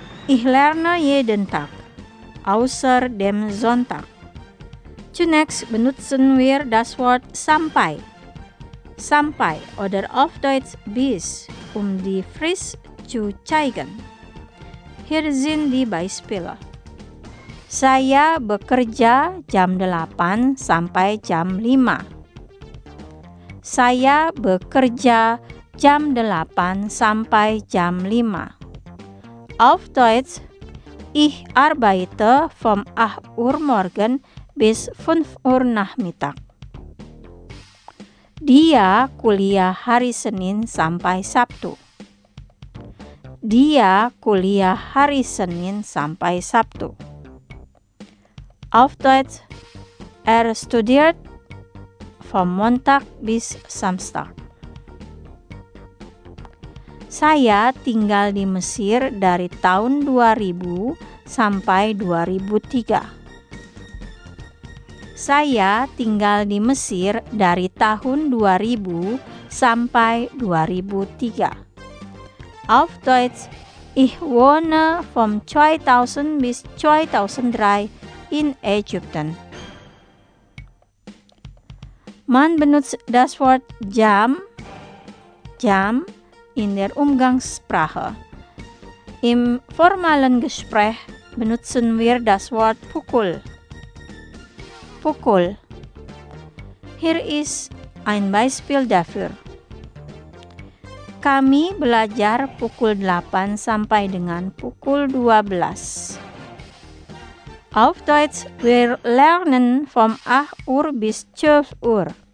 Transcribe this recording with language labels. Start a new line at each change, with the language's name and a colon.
German: Ich lerne jeden Tag, außer dem Sonntag. Zunächst benutzen wir das Wort sampai. Sampai, oder auf Deutsch bis, die Frist zu zeigen. Hier sind die Beispiele.
Indonesian: Saya bekerja jam 8 sampai jam 5. Saya bekerja jam 8 sampai jam 5.
German: Auf Deutsch. Ich arbeite vom 8 Uhr morgen bis 5 Uhr nachmittag.
Indonesian: Dia kuliah hari Senin sampai Sabtu. Dia kuliah hari Senin sampai Sabtu.
German: Auf Deutsch. Studiert vom Montag bis Samstag.
Indonesian: Saya tinggal di Mesir dari tahun 2000 sampai 2003. Saya tinggal di Mesir dari tahun 2000 sampai 2003.
German: Auf Deutsch. Ich wohne vom 2000 bis 2003 in Ägypten. Man benutzt das Wort jam in der Umgangssprache. Im formalen Gespräch benutzen wir das Wort pukul. Hier ist ein Beispiel dafür.
Indonesian: Kami belajar pukul 8 sampai dengan pukul 12.
German: Auf Deutsch, wir lernen vom 8 Uhr bis 12 Uhr.